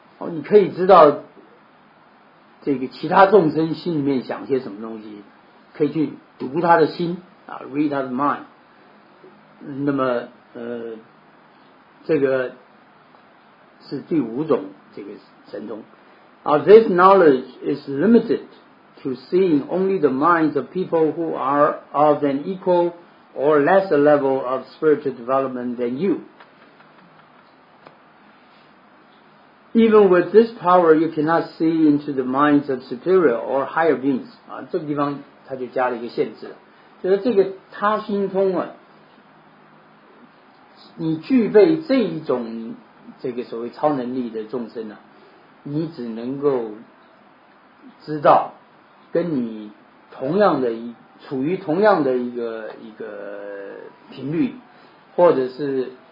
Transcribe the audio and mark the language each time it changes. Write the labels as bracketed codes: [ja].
[zh] 你可以知道这个其他众生心里面想些什么东西，可以去读他的心啊 ， [en] read his mind。 [zh] 那么这个是第五种这个神通。 [en] This knowledge is limited to seeing only the minds of people who are of an equal or lesser level of spiritual development than you. Even with this power, you cannot see into the minds of superior or higher beings. [zh] 啊，这个地方他就加了一个限制，就是这个他心通啊，你具备这一种这个所谓超能力的众生啊，你只能够知道跟你同样的处于同样的一个频率，或者是